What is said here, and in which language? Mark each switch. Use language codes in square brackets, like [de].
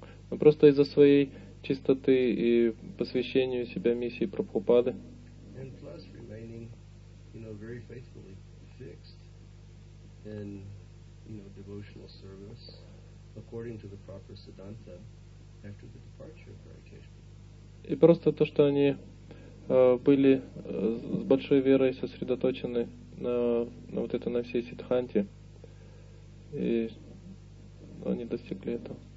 [ru] Но просто из-за своей чистоты и посвящению себя миссии Прабхупады. [en] And plus remaining, you know, very faithfully fixed in, you know, devotional service according to the proper siddhanta after the departure of Hare Krishna. [ru] И просто то, что они были с большой верой сосредоточены на вот это, на всей сиддханте, и они достигли этого.